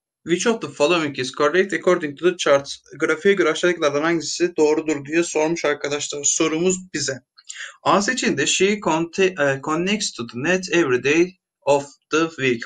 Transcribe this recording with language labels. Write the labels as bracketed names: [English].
[English] Which of the following is correct according to the chart? [Turkish] Grafiğe göre aşağıdakilerden hangisi doğrudur diye sormuş arkadaşlar sorumuz bize. A seçeneğinde [English] she connects to the net every day of the week.